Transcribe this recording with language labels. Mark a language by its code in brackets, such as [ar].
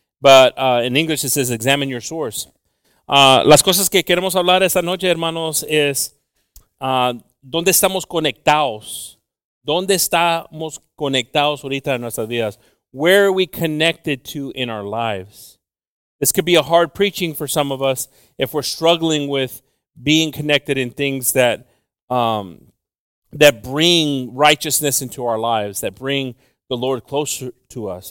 [en] But in English, it says examine your source. [es] Las cosas que queremos hablar esta noche, hermanos, es dónde estamos conectados. ¿Dónde estamos conectados ahorita en nuestras vidas? [en] Where are we connected to in our lives? This could be a hard preaching for some of us if we're struggling with being connected in things that that bring righteousness into our lives, that bring the Lord closer to us.